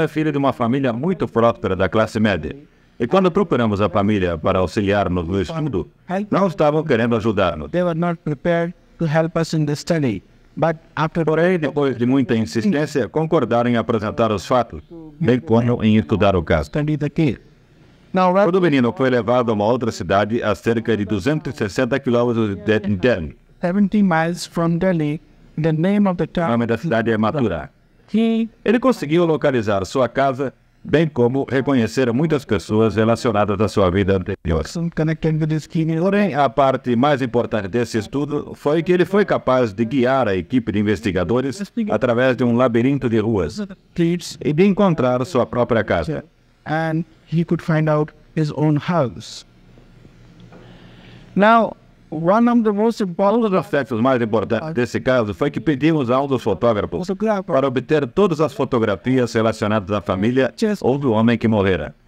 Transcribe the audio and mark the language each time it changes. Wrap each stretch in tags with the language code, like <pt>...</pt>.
<pt>é filho de uma família muito próspera da classe média. E quando procuramos a família para auxiliar-nos no estudo, não estavam querendo ajudar-nos.</pt> <en>They were not prepared to help us in the study.</en> <pt>Porém, depois de muita insistência, concordaram em apresentar os fatos, bem como em estudar o caso. Quando o menino foi levado a uma outra cidade a cerca de 260 quilômetros de Delhi,</pt> <en>70 miles from Delhi, the name of the town,</en> <pt>o nome da cidade é Mathura. Ele conseguiu localizar sua casa, bem como reconhecer muitas pessoas relacionadas à sua vida anterior. Porém, a parte mais importante desse estudo foi que ele foi capaz de guiar a equipe de investigadores através de um labirinto de ruas e de encontrar sua própria casa.</pt> <en>And he could find out his own house. Now, One of the most important aspects,</en> <pt>mais importantes desse caso, foi que pedimos a um dos fotógrafos para obter todas as fotografias relacionadas à família ou do homem que morrera.</pt>